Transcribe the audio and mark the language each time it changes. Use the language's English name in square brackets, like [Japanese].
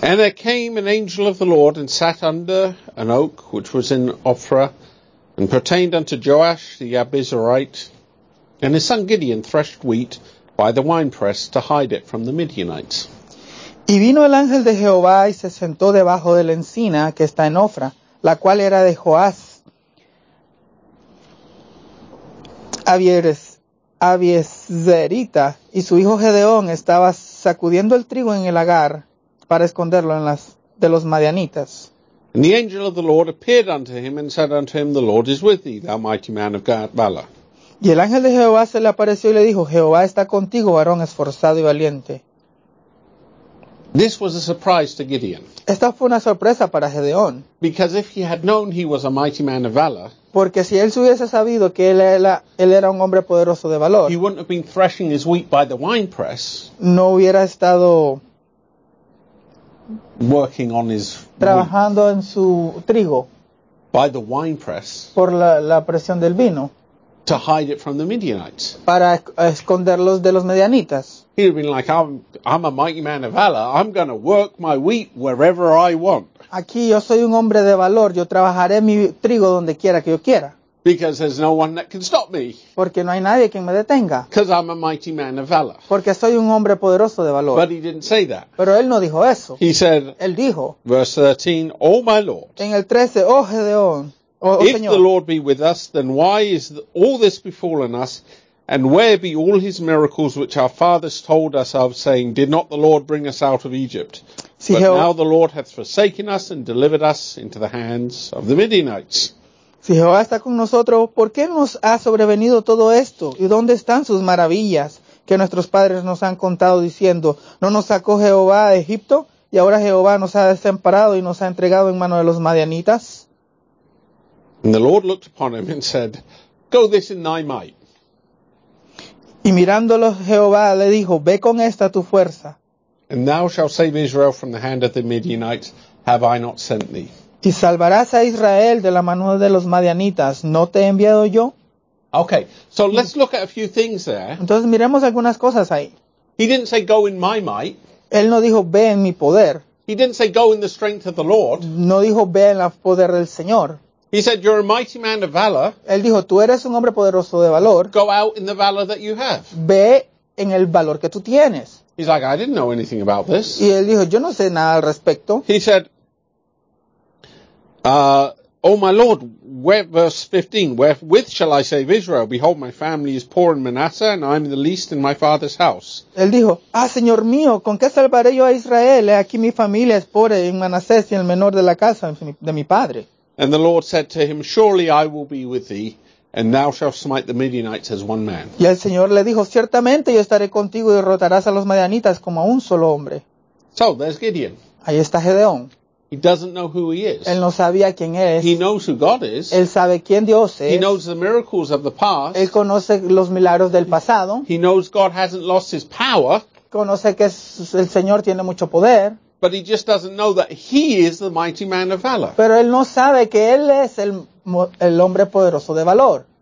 [English] And there came an angel of the Lord and sat under an oak which was in Ophrah, and pertained unto Joash the Abizurite, and his son Gideon threshed wheat by the winepress to hide it from the Midianites. [Spanish] Y vino el ángel de Jehová y se sentó debajo de la encina que está en Ophrah, la cual era de Joás, Abiezerita, y su hijo Gedeón estaba sacudiendo el trigo en el agar para esconderlo en las de los madianitas. [English] And the angel of the Lord appeared unto him and said unto him, The Lord is with thee, thou mighty man of valor. [Spanish] Y el ángel de Jehová se le apareció y le dijo, Jehová está contigo, varón esforzado y valiente. [English] This was a surprise to Gideon. [Spanish] Esta fue una sorpresa para Gedeón. [English] Because if he had known he was a mighty man of valor, [Spanish] porque si él hubiese sabido que él era un hombre poderoso de valor, [English] he wouldn't have been threshing his wheat by the wine press. [Spanish] No hubiera estado [English] working on his [Spanish] trabajando en su trigo [English] by the wine press [Spanish] por la presión del vino [English] to hide it from the Midianites. [Spanish] Para esconderlos de los medianitas. [English] He would have been like, I'm a mighty man of valor. I'm going to work my wheat wherever I want. [Spanish] Aquí yo soy un hombre de valor. Yo trabajaré mi trigo donde quiera que yo quiera. [English] Because there's no one that can stop me. [Spanish] Porque no hay nadie quien me detenga. [English] Because I'm a mighty man of valor. [Spanish] Porque soy un hombre poderoso de valor. [English] But he didn't say that. [Spanish] Pero él no dijo eso. [English] He said, [Spanish] él dijo, [English] verse 13, Oh my Lord. [Spanish] En el 13, oh Gedeón. [English] If the Lord be with us, then why is all this befallen us? And where be all his miracles which our fathers told us of, saying, Did not the Lord bring us out of Egypt? [Spanish] Si [English] But [Spanish] Jehová, [English] now the Lord hath forsaken us and delivered us into the hands of the Midianites. [Spanish] Si Jehová está con nosotros, ¿por qué nos ha sobrevenido todo esto? ¿Y dónde están sus maravillas que nuestros padres nos han contado diciendo, ¿No nos sacó Jehová de Egipto? ¿Y ahora Jehová nos ha desamparado y nos ha entregado en mano de los madianitas? [English] And the Lord looked upon him and said, Go this in thy might. [Spanish] Y mirándolo Jehová le dijo, Ve con esta tu fuerza. [English] And thou shalt save Israel from the hand of the Midianites. Have I not sent thee? [Spanish] Y salvarás a Israel de la mano de los Madianitas. ¿No te he enviado yo? [English] Okay, so let's look at a few things there. [Spanish] Entonces miremos algunas cosas ahí. [English] He didn't say go in my might. [Spanish] Él no dijo ve en mi poder. [English] He didn't say go in the strength of the Lord. [Spanish] No dijo ve en el poder del Señor. [English] He said you're a mighty man of valor. [Spanish] Él dijo tú eres un hombre poderoso de valor. [English] Go out in the valor that you have. [Spanish] Ve en el valor que tú tienes. [English] He's like, I didn't know anything about this. [Spanish] Y él dijo, yo no sé nada al respecto. [English] He said, oh my Lord, where, verse 15, wherewith shall I save Israel? Behold, my family is poor in Manasseh, and I'm the least in my father's house. [Spanish] Él dijo, ah, Señor mío, ¿con qué salvaré yo a Israel? Aquí mi familia es pobre en Manasés y el menor de la casa de mi padre. [English] And the Lord said to him, surely I will be with thee. And thou shalt smite the Midianites as one man. [Spanish] Y el Señor le dijo, ciertamente yo estaré contigo y derrotarás a los Madianitas como a un solo hombre. [English] So, there's Gideon. [Spanish] Ahí está Gedeón. [English] He doesn't know who he is. [Spanish] Él no sabía quién es. [English] He knows who God is. [Spanish] Él sabe quién Dios es. [English] He knows the miracles of the past. [Spanish] Él conoce los milagros del pasado. [English] He knows God hasn't lost his power. [Spanish] Conoce que el Señor tiene mucho poder. [English] But he just doesn't know that he is the mighty man of valor. [Spanish] Pero él no sabe que él es el hombre poderoso de valor.